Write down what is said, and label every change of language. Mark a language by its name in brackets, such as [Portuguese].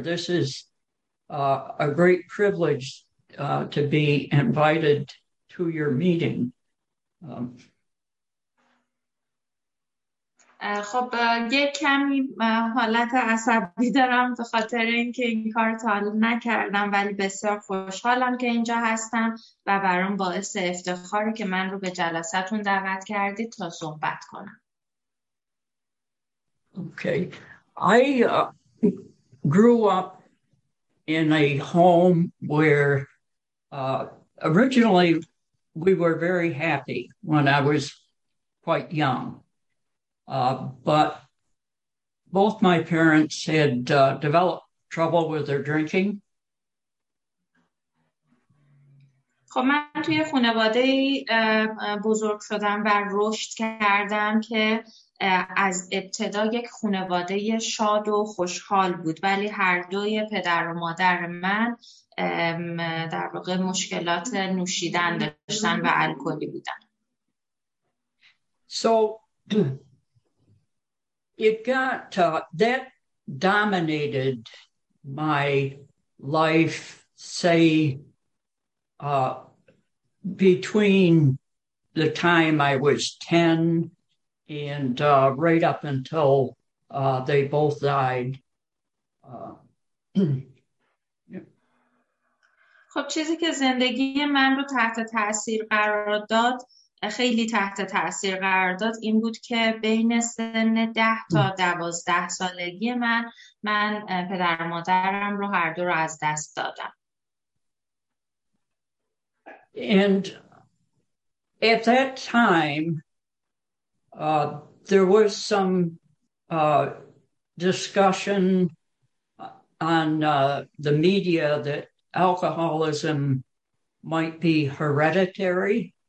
[English] This is a great privilege to be invited to your meeting. [Persian] خب یه کمی حالت عصبی دارم به خاطر اینکه این کار تا حالا نکردم، ولی بسیار خوشحالم که اینجا هستم و برام باعث افتخاره که من رو به جلسه‌تون دعوت کردید تا صحبت کنم. [English] Okay. I grew up in a home where originally we were very happy when I was quite young. But both my parents had developed trouble with their drinking. [Persian] خب من توی خانواده بزرگ شدم و رشد کردم که از ابتدا یک خانواده شاد و خوشحال بود، ولی هر دوی پدر و مادر من در واقع مشکلات نوشیدن داشتن و الکلی بودن. [English] So it got that dominated my life, say between the time I was 10 and right up until they both died. [Persian] خب چیزی که زندگی من رو تحت تاثیر قرار داد، خیلی تحت تاثیر قرار داد، این بود که بین سن 10 تا 12 سالگی من پدر مادرم رو هر دو رو از دست دادم. [English] And at that time, there was some discussion on the media that alcoholism might be hereditary.